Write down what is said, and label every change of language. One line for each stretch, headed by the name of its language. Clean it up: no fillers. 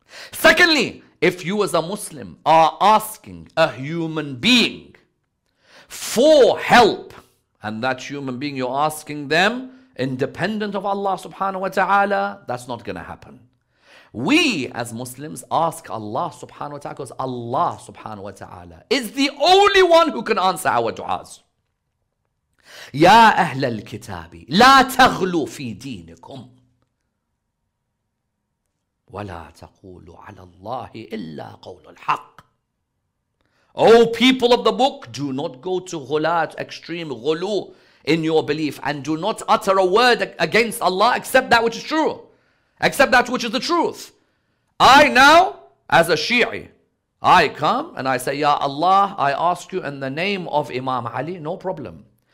English: Secondly, if you as a Muslim are asking a human being for help, and that human being you're asking them, independent of Allah subhanahu wa ta'ala, that's not going to happen. We as Muslims ask Allah subhanahu wa ta'ala, because Allah subhanahu wa ta'ala is the only one who can answer our du'as.
Arabic: يا أهل الكتاب لا تغلوا في دينكم وَلَا تَقُولُ عَلَى اللَّهِ إِلَّا قَوْلُ الْحَقِّ.
English: O people of the book, do not go to ghulat, extreme ghulu in your belief, and do not utter a word against Allah except that which is true, except that which is the truth. I now, as a Shi'i, I come and I say, Ya Allah, I ask you in the name of Imam Ali, no problem.